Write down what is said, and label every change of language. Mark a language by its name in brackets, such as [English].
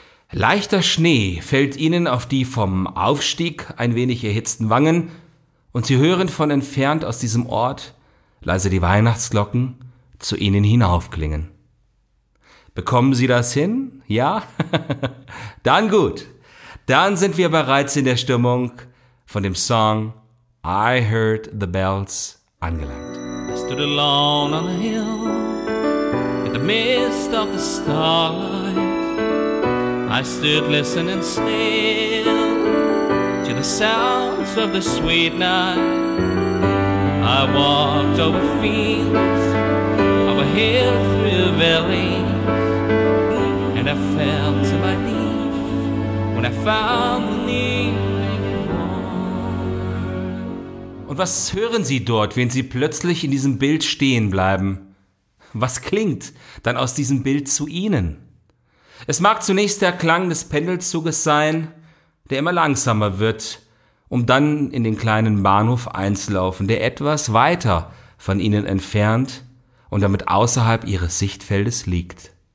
[German] Leichter Schnee fällt ihnen auf die vom Aufstieg ein wenig erhitzten Wangen und sie hören von entfernt aus diesem Ort leise die Weihnachtsglocken zu ihnen hinaufklingen. Bekommen Sie das hin? Ja? Dann gut. Dann sind wir bereits in der Stimmung von dem Song I Heard the Bells angelangt. [English] I stood alone on a hill in the midst of the starlight. I stood listening still to the sounds of the sweet night. I walked over fields, over hills, through valleys, and I fell to my knees when I found the need. [German] Und was hören Sie dort, wenn Sie plötzlich in diesem Bild stehen bleiben? Was klingt dann aus diesem Bild zu Ihnen? Es mag zunächst der Klang des Pendelzuges sein, der immer langsamer wird, um dann in den kleinen Bahnhof einzulaufen, der etwas weiter von Ihnen entfernt und damit außerhalb Ihres Sichtfeldes liegt.